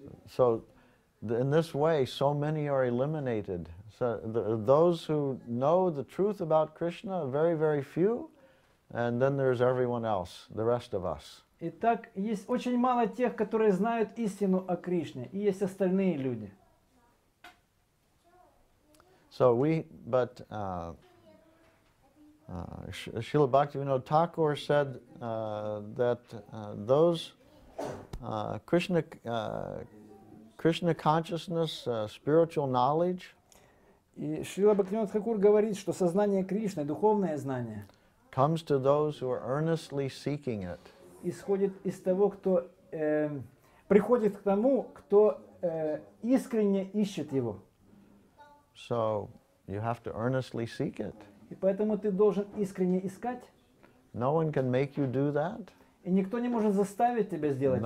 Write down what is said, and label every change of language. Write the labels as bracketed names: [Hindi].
[English] So in this way, so many are eliminated. So those who know the truth about Krishna, very, very few. And then there's everyone else, the rest of us. [Russian] Итак, есть очень мало тех, которые знают истину о Кришне, и есть остальные люди. [English] So we, but Srila Bhaktivinoda Thakur said that those Krishna consciousness, spiritual knowledge. [Russian] И Шрила Бхактивинода Тхакур говорит, что сознание Кришны, духовное знание. [English] Comes to those who are earnestly seeking it. [Russian] Исходит из того, кто приходит к тому, кто искренне ищет его. [English] So you have to earnestly seek it. [Russian] И поэтому ты должен искренне искать. [English] No one can make you do that. [Russian] И никто не может заставить тебя сделать это.